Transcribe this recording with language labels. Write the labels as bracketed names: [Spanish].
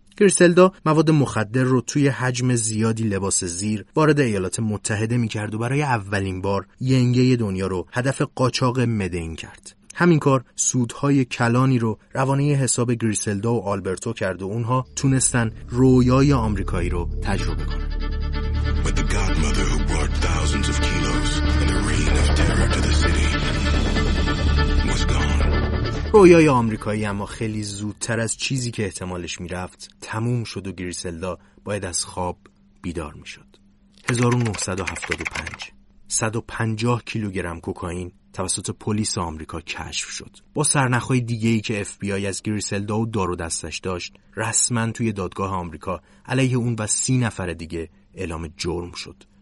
[Persian] گریسلدا مواد مخدر رو توی حجم زیادی لباس زیر وارد ایالات متحده می کرد و برای اولین بار ینگه دنیا رو هدف قاچاق مدئین کرد. همین کار سودهای کلانی رو روانه حساب گریسلدا و آلبرتو کرد و اونها تونستن رویای آمریکایی رو تجربه کنن. [English] But the godmother who brought thousands of kilos and a rain of terror to the city was gone. [Persian] رویای آمریکایی اما خیلی زودتر از چیزی که احتمالش میرفت تموم شد و گریسلدا باید از خواب بیدار میشد. 1975، 150 کیلوگرم کوکائین توسط پلیس آمریکا کشف شد. با سرنخ‌های دیگه‌ای که FBI از گریسلدا و دارو دستش داشت، رسماً توی دادگاه آمریکا علیه اون و 30 نفر دیگه اعلام جرم شد.